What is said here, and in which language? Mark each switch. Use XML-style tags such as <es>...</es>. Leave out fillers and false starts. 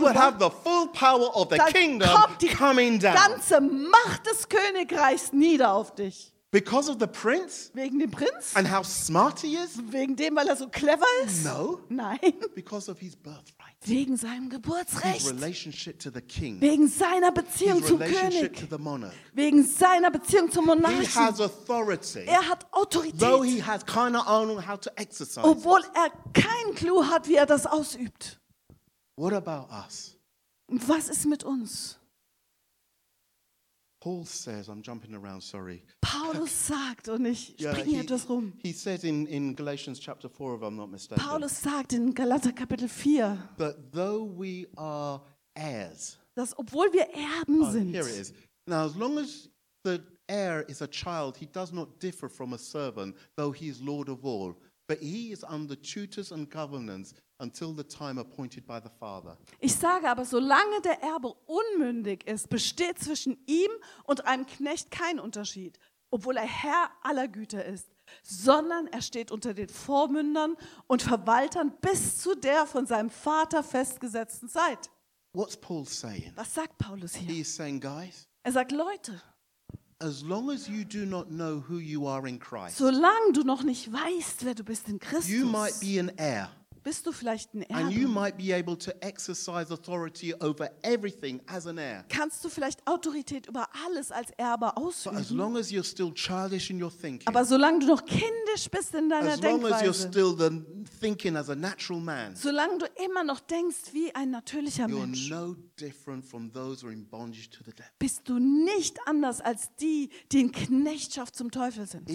<en>You will have the full power of the kingdom coming down.</en> <de>Die ganze Macht des Königreichs nieder auf dich.</de> <en>Because of the prince?</en> <de>Wegen dem Prinz?</de> <en>And how smart he is?</en> <de>Wegen dem, weil er so clever ist?</de> <en>No.</en> <de>Nein.</de> <en>Because of his birthright.</en> <de>Wegen seinem Geburtsrecht.</de> <en>His relationship to the king.</en> <de>Wegen seiner Beziehung</de> <en>his</en> <de>zum König.</de> <en>To the monarch.</en> <de>Wegen seiner Beziehung zum Monarchen.</de> <en>He has authority.</en> <de>Er hat Autorität.</de> <en>Though he has</en> <de>keine Ahnung</de> <en>how to exercise.</en> <de>Obwohl er keinen Clou hat, wie er das ausübt.</de> <en>What about us?</en> <de>Was ist mit uns?</de> <en>Paul says, I'm jumping around, sorry.</en> <de>Paulus sagt, und ich springe hier etwas rum.</de> <en>He said in Galatians chapter 4, if I'm not mistaken.</en> <de>Paulus sagt in Galater Kapitel 4.</de> <en>But though we are heirs.</en> <de>Dass obwohl wir Erben sind.</de> <en>Here it is. Now as long as the heir is a child, he does not differ from a servant, though he is Lord of all. But he is under tutors and governance until the time appointed by the father.</en> <de>Ich sage aber, solange der Erbe unmündig ist, besteht zwischen ihm und einem Knecht kein Unterschied, obwohl er Herr aller Güter ist, sondern er steht unter den Vormündern und Verwaltern bis zu der von seinem Vater festgesetzten Zeit.</de> <en>What's Paul saying?</en> <de>Was sagt Paulus hier?</de> <en>He is saying, guys.</en> <de>Er sagt, Leute.</de> <en>As long as you do not know who you are in Christ.</en> <de>Solange du noch nicht weißt, wer du bist in Christus.</de> <en>You might be an heir.</en> <de>Bist du vielleicht ein Erbe?</de> <en>And you might be able to exercise authority over everything as an heir.</en> <de>Kannst du vielleicht Autorität über alles als Erbe ausüben?</de> <en>But as long as you're still childish in your thinking.</en> <de>Aber solange du noch kindisch bist in deiner</de> <en>as</en> <de>Denkweise.</de> <en>As long as you're still the thinking as a natural man.</en> <de>Solange du immer noch denkst wie ein natürlicher</de> <en>you're</en> <de>Mensch.</de> <en>You're no different from those who are in bondage to the devil.</en> <de>Bist du nicht anders als die, die in Knechtschaft zum Teufel sind?</de>